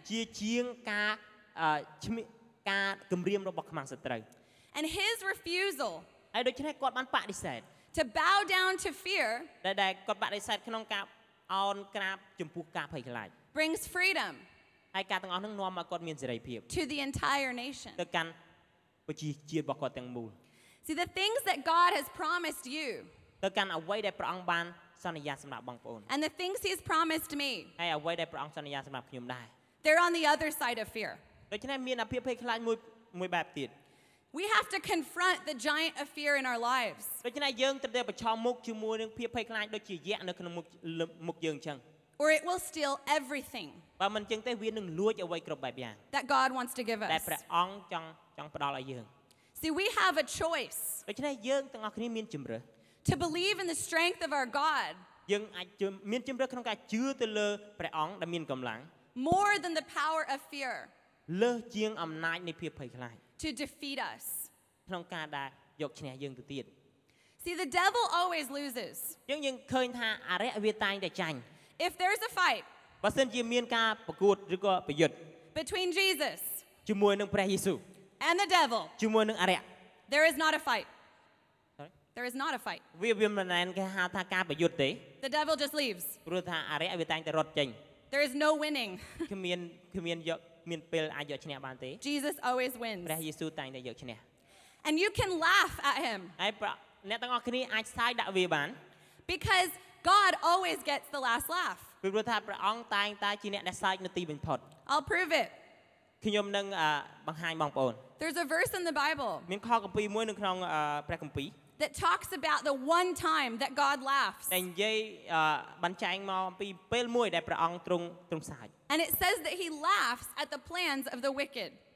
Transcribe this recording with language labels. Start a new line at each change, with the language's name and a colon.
Khmer: ជាជាងការឈ្មោះការគម្រាមរបស់ខ្មាំងសត្រូវ
English: And his refusal
Khmer: ហើយដូច្នេះគាត់បានបដិសេធ
English: To bow down to fear
Khmer: ដែលគាត់បដិសេធក្នុងការអោនក្រាបចំពោះការភ័យខ្លាច
English: Brings freedom
Khmer: ហើយការទាំងអស់នឹងនាំមកគាត់មានសេរីភាព
English: To the entire nation
Khmer: ទៅកាន់ប្រជាជាតិរបស់គាត់ទាំងមូល
English: See the things that God has promised you
Khmer: ទៅកាន់អ្វីដែលព្រះអង្គបានសន្យាសម្រាប់បងប្អូន
English: And the things he's promised me
Khmer: ហើយអ្វីដែលព្រះអង្គសន្យាសម្រាប់ខ្ញុំដែរ
English: They're on the other side of fear
Khmer: ដូច្នេះមានអាភិភ័យខ្លាចមួយបែបទៀត
English: We have to confront the giant of fear in our lives
Khmer: ដូច្នេះយើងត្រូវតែប្រឈមមុខជាមួយនឹងភាពភ័យខ្លាចដូចជាយក្សនៅក្នុងមុខយើងអញ្ចឹង
English: Or it will steal everything
Khmer: បើមិនអញ្ចឹងទេវានឹងលួចអ្វីគ្រប់បែបយ៉ាង
English: That God wants to give us
Khmer: ដែលព្រះអង្គចង់ផ្ដល់ឲ្យយើង
English: See we have a choice
Khmer: ដូច្នេះយើងទាំងអស់គ្នាមានជម្រើស
English: To believe in the strength of our God.
Khmer: យើងអាចមានជំរឿក្នុងការជឿទៅលើព្រះអង្គដែលមានកម្លាំង
English: More than the power of fear.
Khmer: លើសជាងអំណាចនៃភាពភ័យខ្លាច
English: To defeat us.
Khmer: ក្នុងការដែលយកឈ្នះយើងទៅទៀត
English: See the devil always loses.
Khmer: យើងឃើញថាអរិយវាតែងតែចាញ់
English: If there's a fight.
Khmer: បើសិនជាមានការប្រកួតឬក៏ប្រយុទ្ធ
English: Between Jesus.
Khmer: ជាមួយនឹងព្រះយេស៊ូវ
English: And the devil.
Khmer: ជាមួយនឹងអរិយ
English: There is not a fight. There is not a fight.
Khmer: វាមិនមែនគេហៅថាការប្រយុទ្ធទេ
English: The devil just leaves.
Khmer: ព្រោះថាអរិយវាតែងតែរត់ចេញ
English: There is no winning.
Khmer: គ្មានយកមានពេលអាចយកឈ្នះបានទេ
English: Jesus always wins.
Khmer: ព្រះយេស៊ូវតែងតែយកឈ្នះ
English: And you can laugh at him.
Khmer: ហើយអ្នកទាំងអស់គ្នាអាចសើចដាក់វាបាន
English: Because God always gets the last laugh.
Khmer: ព្រោះថាព្រះអង្គតែងតែជាអ្នកដែលសើចនៅទីបំផុត
English: I'll prove it.
Khmer: ខ្ញុំនឹងបង្ហាញបងប្អូន
English: There's a verse in the Bible.
Khmer: មានខកគម្ពីរមួយនៅក្នុងព្រះគម្ពីរ
English: That talks about the one time that God laughs.
Khmer: And Jay ban chaing mo ampi pel muoy dae pra ang trung saich.
English: And it says that he laughs at the plans of the wicked.